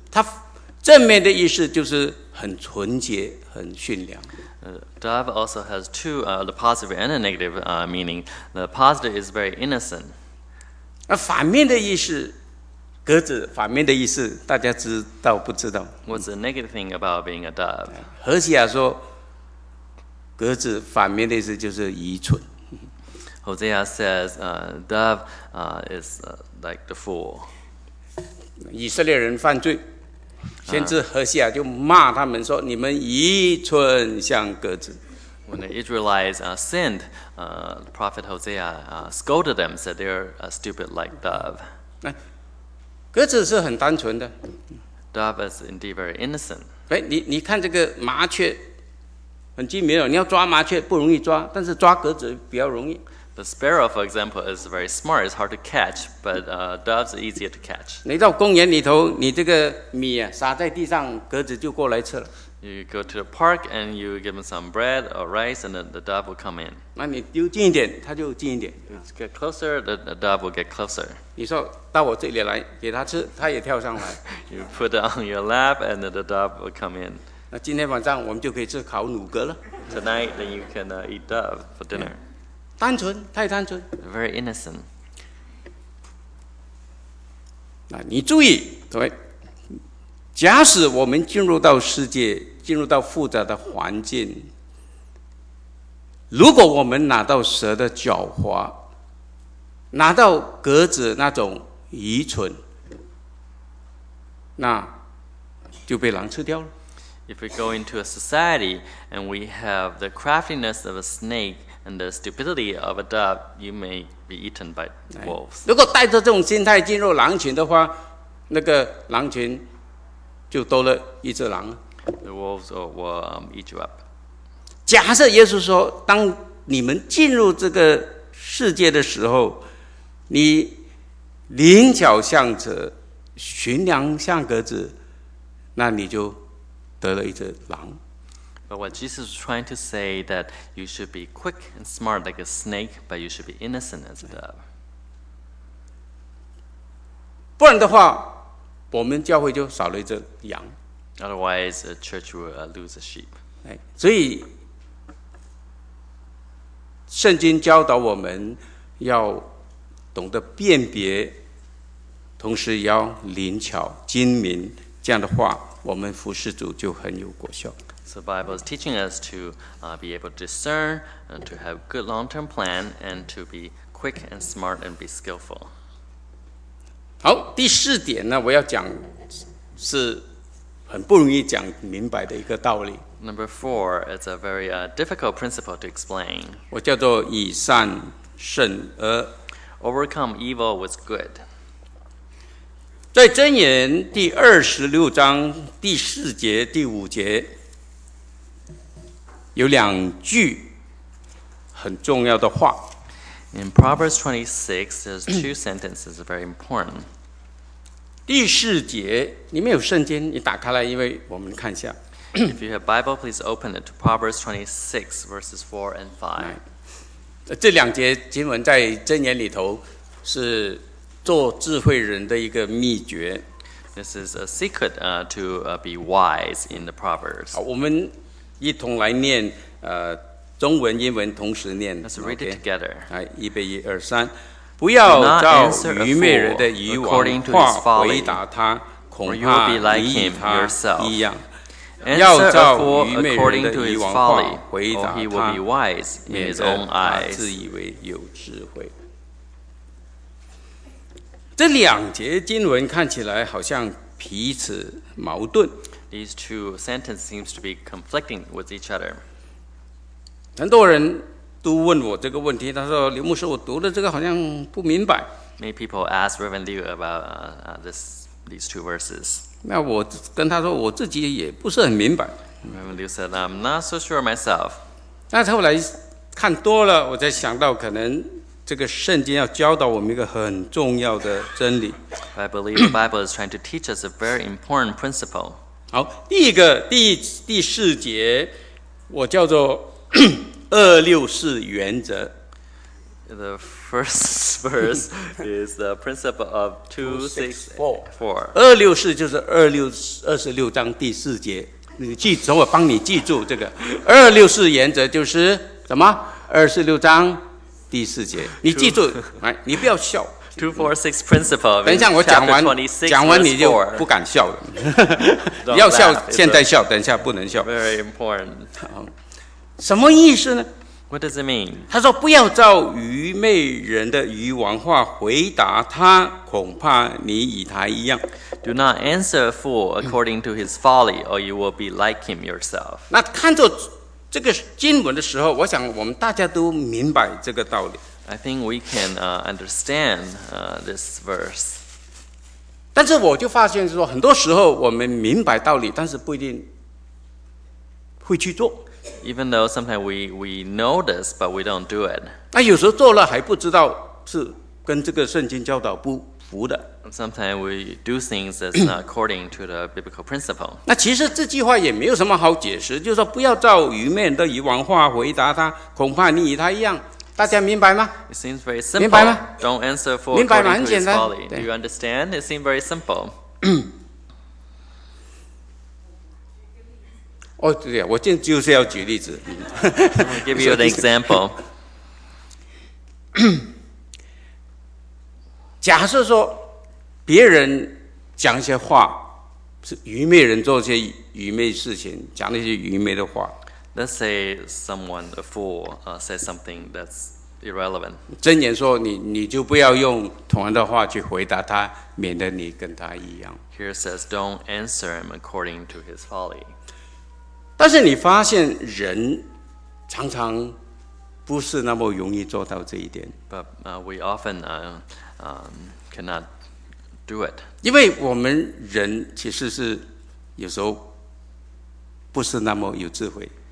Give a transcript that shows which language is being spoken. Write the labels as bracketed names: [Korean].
[Chinese] 它正面的意思就是很纯洁、很驯良。 [English] Dove also has two the positive and the negative meaning. The positive is very innocent. [Chinese] 反面的意思，鸽子反面的意思，大家知道不知道 [English] ？What's the negative thing about being a dove? [Chinese] 何西亚说，鸽子反面的意思就是愚蠢。 [English] Hosea says, dove is like the fool. [Chinese] 以色列人犯罪，先知何西阿就骂他们说你们一寸像鸽子。 [English] When the Israelites sinned, the prophet Hosea scolded them, said they are stupid like dove. [Chinese] 鸽子是很单纯的。 [English] Dove is indeed very innocent. [Chinese] 你看这个麻雀很精明哦，你要抓麻雀不容易抓，但是抓鸽子比较容易。 [English] The sparrow, for example, is very smart. It's hard to catch, but doves are easier to catch. [Chinese] 你到公园里头，你这个米啊撒在地上，鸽子就过来吃了。 [English] You go to the park and you give them some bread or rice, and the dove will come in. [Chinese] 那你丢近一点，它就近一点。 [English] You get closer, the dove will get closer. [Chinese] 你说到我这里来，给它吃，它也跳上来。 [English] You put it on your lap, and the dove will come in. [Chinese] 那今天晚上我们就可以吃烤乳鸽了。 [English] Tonight, then you can eat dove for dinner. Yeah. [Chinese] 单纯，太单纯。 [English] Very innocent. [Chinese] 那你注意，对，假使我们进入到世界，进入到复杂的环境，如果我们拿到蛇的狡猾，拿到鸽子那种愚蠢，那就被狼吃掉了。 [English] If we go into a society and we have the craftiness of a snake. And the stupidity of a dove, you may be eaten by wolves. [Chinese] 如果带着这种心态进入狼群的话，那个狼群就多了一只狼。 [English] The wolves will eat you up. [Chinese] 假设耶稣说，当你们进入这个世界的时候，你灵巧像蛇，驯良像鸽子，那你就得了一只狼。 [English] But what Jesus is trying to say that you should be quick and smart like a snake, but you should be innocent as a dove. [Chinese] 不然的话，我们教会就少了一只羊。 [English] Otherwise, a church will lose a sheep. [Chinese] 所以，圣经教导我们要懂得辨别，同时要灵巧、精明。这样的话，我们服侍主就很有果效。 [English] So the Bible is teaching us to be able to discern, and to have good long-term plan, and to be quick and smart and be skillful. [Chinese] 好，第四点呢，我要讲是很不容易讲明白的一个道理。 [English] Number four, it's a very difficult principle to explain. [Chinese] 我叫做以善胜恶。 [English] Overcome evil with good. [Chinese] 在箴言第二十六章第四节第五节。有两句很重要的话。 [English] In Proverbs 26, there's two sentences very important. [Chinese] 第四节，你没有圣经，你打开来，因为我们看一下。 [English] If you have Bible, please open it to Proverbs 26, verses 4 and 5. [Chinese] 这两节经文在箴言里头是做智慧人的一个秘诀。 [English] This is a secret to be wise in the Proverbs. [Chinese] 我们一同来念，中文、英文同时念。 [English] Let's read it together. [Chinese] 来，预备，一二三。不要照愚昧人的愚妄话回答他，恐怕你与他一样。要照愚昧人的愚妄话回答他，免得他自以为有智慧。这两节经文看起来好像彼此矛盾。 [English] These two sentences seem to be conflicting with each other. [Chinese] 很多人都问我这个问题，他说刘牧师，我读的这个好像不明白。 [English] Many people ask Reverend Liu about these two verses. [Chinese] 那我跟他说，我自己也不是很明白。 [English] Reverend Liu said, I'm not so sure myself. [Chinese] 那后来看多了，我才想到可能这个圣经要教导我们一个很重要的真理。 [English] I believe the Bible is trying to teach us a very important principle. [Chinese] 好，第一个第四节，我叫做二六四原则。 [English] The first verse is the principle of 2-6-4. [Chinese] 二六四就是二六二十六章第四节。你记，等我帮你记住这个二六四原则就是什么？二十六章第四节，你记住，来，你不要笑。 [English] 2-4-6 principle. [Chinese] 等一下，我讲完你就不敢笑了。你要笑，现在笑，等一下不能笑。 [English] Very important. [Chinese] 什么意思呢？ [English] What does it mean? [Chinese] 他说不要照愚昧人的愚妄话回答他，恐怕你与他一样。 [English] Do not answer a fool according to his folly, or you will be like him yourself. [Chinese] 那看着这个经文的时候，我想我们大家都明白这个道理。 [English] I think we can understand this verse. [Chinese] 但是我就发现说，很多时候我们明白道理，但是不一定会去做。 [English] Even though sometimes we know this, but we don't do it. [Chinese] 那有时候做了还不知道是跟这个圣经教导不符的。 [English] Sometimes we do things that's not according to the biblical principle. [Chinese] 那其实这句话也没有什么好解释，就是说不要照愚昧人的愚妄话回答他，恐怕你与他一样。大家明白吗？ [English] It seems very simple. [Chinese] 明白吗？ [English] Don't answer for according to his folly. [Chinese] 明白吗？很简单。 [English] Do you understand? It seems very simple. [Chinese] 哦、oh, 对啊，我今就是要举例子。 [English] I'll give you an example. [Chinese] 假设说别人讲一些话，是愚昧人做一些愚昧事情，讲那些愚昧的话。 [English] Let's say someone a fool says something that's irrelevant. [Chinese] 真言说你就不要用同样的话去回答他，免得你跟他一样。 [English] Here says, don't answer him according to his folly. [Chinese] 但是你发现人常常不是那么容易做到这一点。 [English] But we often cannot do it. [Chinese] 因为我们人其实是有时候不是那么有智慧。